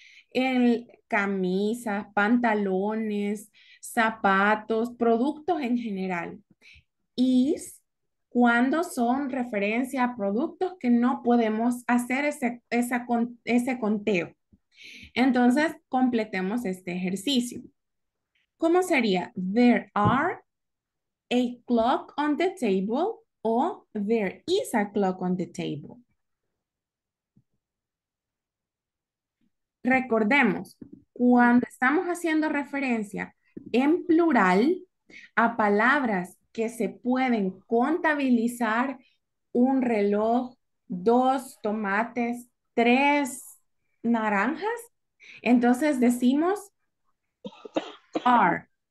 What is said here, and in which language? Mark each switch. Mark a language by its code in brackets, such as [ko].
[es] En camisas, pantalones, zapatos, productos en general. Is, cuando son referencia a productos que no podemos hacer ese conteo. Entonces, completemos este ejercicio. ¿Cómo sería? [en] There are a clock on the table o there is a clock on the table. [es] Recordemos, cuando estamos haciendo referencia en plural a palabras que se pueden contabilizar, un reloj, dos tomates, tres naranjas, entonces decimos are.